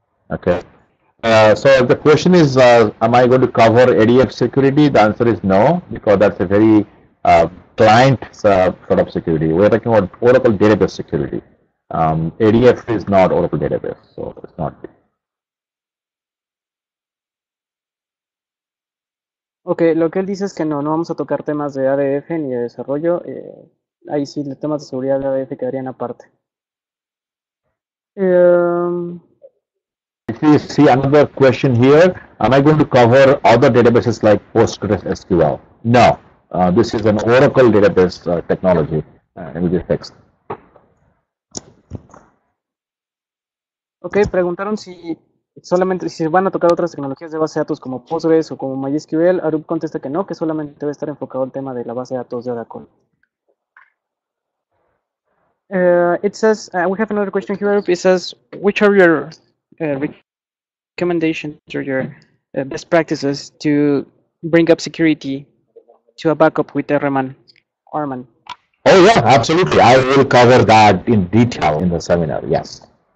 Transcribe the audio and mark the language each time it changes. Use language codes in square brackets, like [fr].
[en] Okay. So the question is, am I going to cover ADF security? The answer is no, because that's a very client sort of security. We're talking about Oracle database security. ADF is not Oracle database, so it's not. [es] Ok, lo que él dice es que no vamos a tocar temas de ADF ni de desarrollo. Ahí sí, los temas de seguridad de ADF quedarían aparte. [en] If you see another question here, am I going to cover other databases like PostgreSQL? No, this is an Oracle database technology. Let me just text. [es] Okay, preguntaron si solamente si van a tocar otras tecnologías de base de datos como Postgres o como MySQL. Arup contesta que no, que solamente debe estar enfocado el tema de la base de datos de Oracle. [en] It says, we have another question here. It says, which are your recommendations or your best practices to bring up security to a backup with Arman? Oh, yeah, absolutely. I will cover that in detail in the seminar, yes.